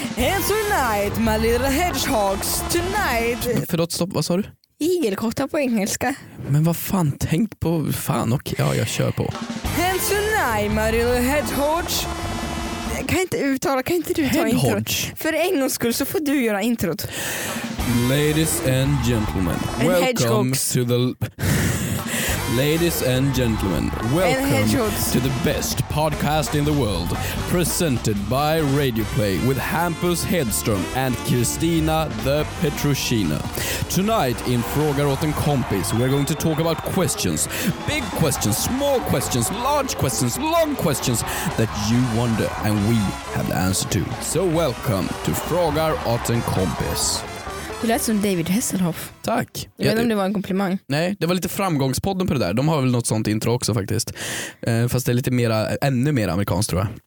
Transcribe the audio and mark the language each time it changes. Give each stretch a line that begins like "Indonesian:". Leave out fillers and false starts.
English: And tonight my little hedgehogs, tonight.
Swedish: Förlåt, stopp, vad sa du? Igelkotta på engelska. Men vad fan, tänk på fan. Okej, ja, jag kör på.
English: And tonight my little hedgehogs.
Swedish: Kan inte du ta introt? För en gångs skull så får du göra introt.
English: Ladies and gentlemen, welcome to the to the best podcast in the world, presented by Radio Play with Hampus Hedström and Christina the Petrushina. Tonight in Frågar åt en kompis, we're going to talk about questions, big questions, small questions, large questions, long questions that you wonder and we have the answer to. So welcome to Frågar åt en kompis.
Swedish: Du lät som David Hasselhoff. Tack. Jag vet inte om det var en komplimang. Nej, det var lite framgångspodden på det där. De har väl något sånt intro också faktiskt. Fast det är lite mera, ännu mer amerikanskt tror jag.